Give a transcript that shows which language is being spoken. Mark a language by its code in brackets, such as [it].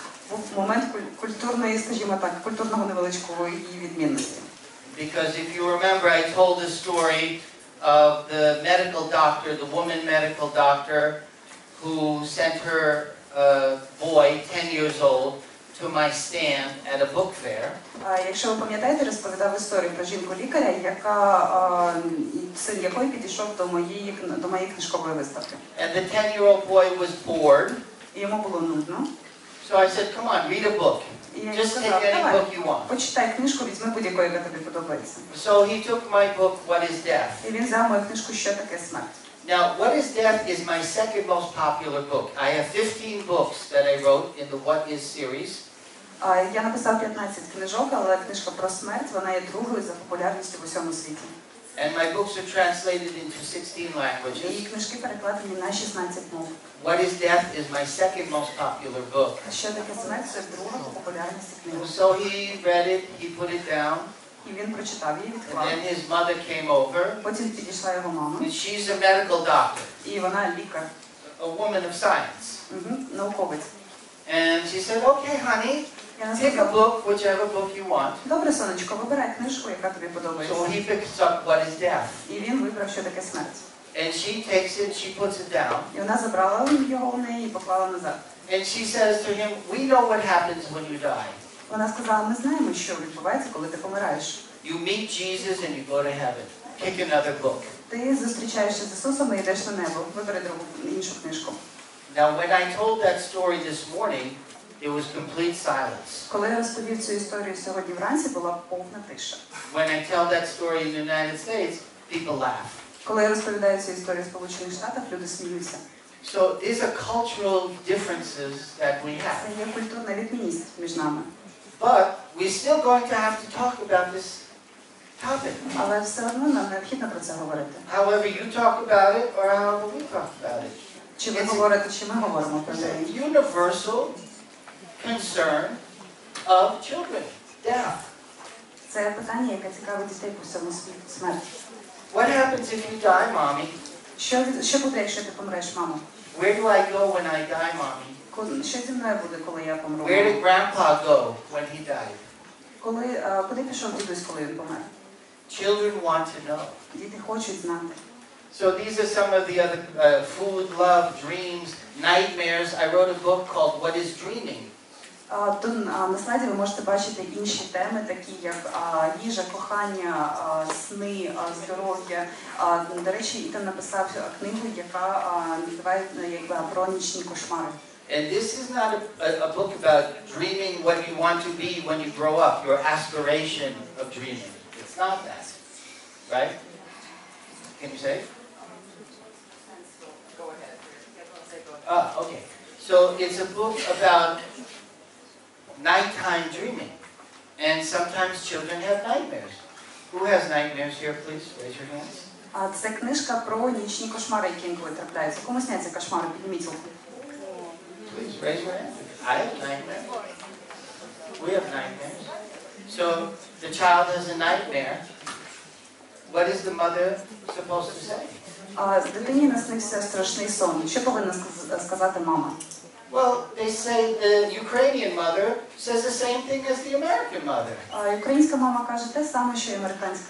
[uk] Був момент культурної, скажімо так, культурного невеличкого відмінності. [en] Because if you remember, I told the story of the medical doctor, the woman medical doctor, who sent her boy, 10 years old, to my stand at a book fair. [uk] Якщо ви пам'ятаєте, розповідав історію про жінку-лікаря, яка син якої підійшов до моєї книжкової виставки. [en] And the 10-year-old boy was bored. [uk] Йому було нудно. [en] So I said, come on, read a book. Just take any book you want. [uk] Почитай книжку, візьми будь-яку, яка тобі подобається. [en] So he took my book, What is Death? [uk] І він взяв мою книжку, Що таке смерть? [en] Now, What is Death is my second most popular book. I have 15 books that I wrote in the What is series. [uk] Я написав 15 книжок, але книжка про смерть, вона є другою за популярністю в усьому світі. [en] And my books are translated into 16 languages. [uk] Мої книжки перекладені на 16 мов. [en] What is Death is my second most popular book. [uk] Що таке смерть – це друга по популярності книга. [en] So he read it, he put it down. [uk] І він прочитав її, відклав. [en] And then his mother came over. [uk] Потім підійшла його мама. [en] And she's a medical doctor. [uk] І вона лікар. [en] A woman of science. [uk] Науковець. [en] And she said, okay, honey, take a book, whichever book you want. [uk] Добре, сонечко, вибирай книжку, яка тобі подобається. [en] So he picks up What is Death. [uk] І він вибрав, що таке смерть. [en] And she takes it, she puts it down. [uk] І вона забрала його у неї і поклала назад. [en] And she says to him, we know what happens when you die. [uk] Вона сказала, ми знаємо, що відбувається, коли ти помираєш. [en] You meet Jesus and you go to heaven. Pick another book. [uk] Ти зустрічаєшся з Ісусом і йдеш на небо. Вибери іншу книжку. [en] Now, when I told that story this morning, it was complete silence. [uk] Коли я розповів цю історію сьогодні вранці, була повна тиша. [en] When I tell that story in the United States, people laugh. [uk] Коли я розповідаю цю історію в Сполучених Штатах, люди сміються. [en] So, these are cultural differences that we have. [uk] Це є культурна відмінність між нами. [en] But we're still going to have to talk about this topic. [uk] Але все одно нам необхідно про це говорити. [en] However you talk about it, or however we talk about it. [uk] Чи ви говорите, чи ми говоримо про неї? [en] It's a universal concern of children. Death. [uk] Це питання, яке цікавить дітей по всьому світу. Смерть. [en] What happens if you die, mommy? [uk] Що буде, якщо ти помреш, мамо? [en] Where do I go when I die, mommy? [uk] Що зі мною буде, коли я помру? [en] Where did grandpa go when he died? [uk] Куди пішов дідусь, коли він помер? [en] Children want to know. [uk] Діти хочуть знати. [en] So these are some of the other food, love, dreams, nightmares. I wrote a book called What is Dreaming? [uk] На слайді ви можете бачити інші теми, такі як їжа, кохання, сни, здоров'я. До речі, Ітан написав книгу, яка називається про нічні кошмари. [en] And this is not a book about dreaming what you want to be when you grow up, your aspiration of dreaming. It's not that. Right? Can you say it? Go ahead. Ah, okay. So it's a book about nighttime dreaming. And sometimes children have nightmares. Who has nightmares here, please? Raise your hands. [uk] Це книжка про нічні кошмари, які інколи трапляються. Кому сняться кошмари? Підніміть руку. [en] Please raise your hand. I have nightmares. We have nightmares. So the child has a nightmare. What is the mother supposed to say? [uk] Дитині наснився страшний сон. Що повинна сказати мама? [en] Well, they say the Ukrainian mother says the same thing as the American mother. [uk] Українська мама каже те саме, що й американська.